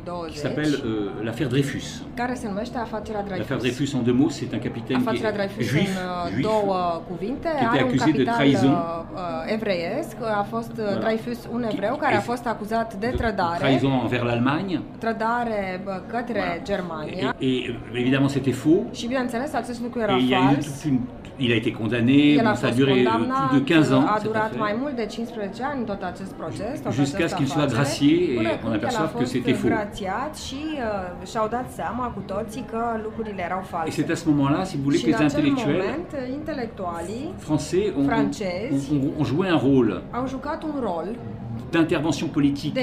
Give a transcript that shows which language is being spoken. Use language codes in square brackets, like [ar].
[fr] qui s'appelle l'affaire Dreyfus. L'affaire Dreyfus, en deux mots, c'est un capitaine qui est juif, qui était accusé de trahison. [ro] A fost Dreyfus, un evreu, care a fost acuzat de trădare. [fr] Trahison envers l'Allemagne. [ro] Trădare către Germania. [fr] Et évidemment, c'était faux. [ro] Și bineînțeles, acest lucru era fals. [fr] Il a été condamné, ça a duré plus de 15 ans. [ro] A durat mai mult de 15 ani tot acest proces. [fr] Jusqu'à ce qu'il soit gracié et qu'on aperçoive que c'était faux. [ro] Și și-au dat seama cu toții că lucrurile erau false. [fr] Et c'est à ce moment-là, si vous voulez, que les intellectuels français ont joué un rôle. [ro] Au jucat un rol [fr] d'intervention politique.